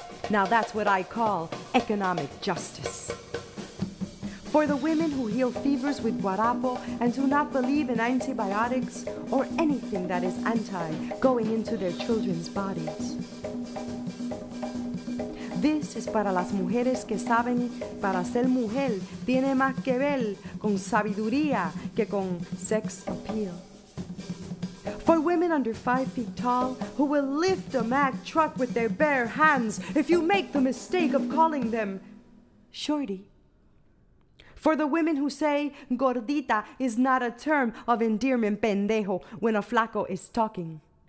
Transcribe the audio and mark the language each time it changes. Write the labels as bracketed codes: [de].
[en] Now that's what I call economic justice. For the women who heal fevers with guarapo and do not believe in antibiotics or anything that is anti going into their children's bodies. This is [es] para las mujeres que saben para ser mujer tiene más que ver con sabiduría que con sex appeal. [en] For women under 5 feet tall who will lift a Mack truck with their bare hands if you make the mistake of calling them shorty. For the women who say gordita is not a term of endearment, pendejo, when a flaco is talking.